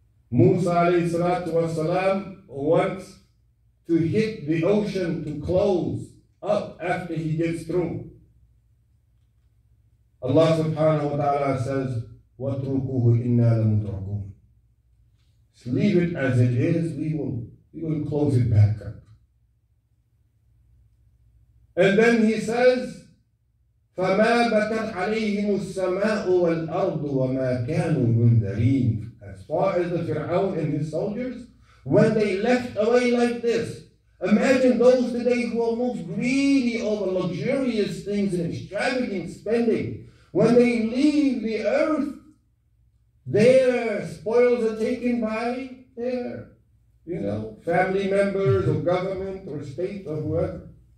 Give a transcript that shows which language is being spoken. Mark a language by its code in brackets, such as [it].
[en] Musa alayhi salatu wa salam wants to hit the ocean to close up after he gets through. Allah subhanahu wa ta'ala says, [ar] وَاتْرُكُوهُ إِنَّا لَمُدْرَكُونَ. [en] So leave it as it is, we will close it back up. And then he says, [ar] فَمَا بَكَتْ عَلَيْهِمُ السَّمَاءُ وَالْأَرْضُ وَمَا كَانُوا مُنْذَرِينَ. [en] As far as the Fir'aun and his soldiers, when they left away like this, imagine those today who are most greedy over luxurious things and extravagant spending. When they leave the earth, their spoils are taken by their, family members or government or state or whoever.